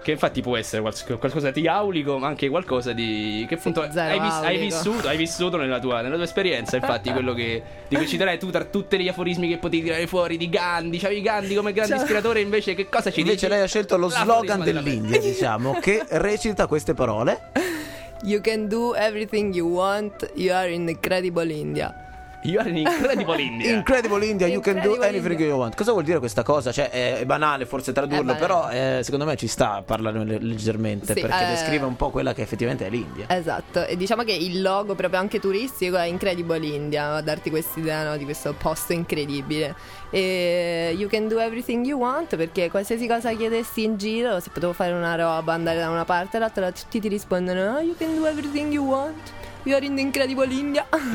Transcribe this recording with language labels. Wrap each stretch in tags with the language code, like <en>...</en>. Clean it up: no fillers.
<it>che infatti può essere qualcosa di aulico, ma anche qualcosa di, che appunto hai vissuto nella tua esperienza, infatti. Quello che dico, citerai tu tra tutti gli aforismi che potevi tirare fuori di Gandhi, c'avevi Gandhi come grande ispiratore, invece che cosa ci invece dici? Lei ha scelto lo slogan dell'India, diciamo, che recita queste parole:</it> <en>you can do everything you want, you are in incredible India. You are in Incredible India. Incredible India, you can do anything you want.</en> <it>Cosa vuol dire questa cosa? Cioè, è banale forse tradurlo, banale. Però secondo me ci sta a parlare leggermente, sì, perché descrive un po' quella che effettivamente è l'India. Esatto, e diciamo che il logo proprio anche turistico è Incredible India, a darti quest'idea, no, di questo posto incredibile. E</it> <en>you can do everything you want, perché qualsiasi cosa chiedessi in giro, se potevo fare una roba, andare da una parte all'altra, tutti ti rispondono: oh, you can do everything you want, you are in Incredible India.</en>